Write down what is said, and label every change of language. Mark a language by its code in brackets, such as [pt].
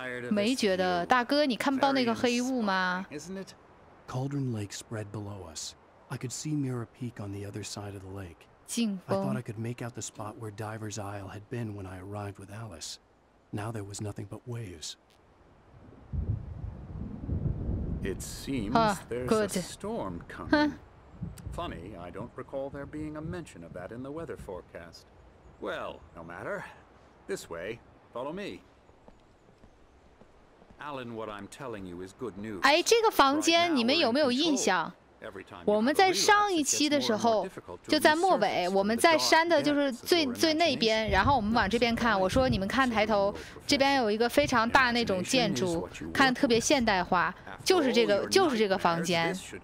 [zh] 没觉得，大哥，你看不到那个黑雾吗 [en] ？Cauldron Lake spread below us. I could see Mira Peak on the other side of the lake. [zh] 近风。 [en] I thought I could make out the spot where Diver's Isle had been when I arrived with Alice. Now there was nothing but waves. It seems there's a storm coming. Funny, I don't recall there being a mention of that in the weather forecast. Well, no matter. This way, follow me. Alan, what I'm telling you is good news. [zh] 哎，这个房间你们有没有印象？我们在上一期的时候，就在末尾，我们在山的就是最那边，然后我们往这边看，我说你们看抬头，这边有一个非常大那种建筑，看特别现代化，就是这个房间。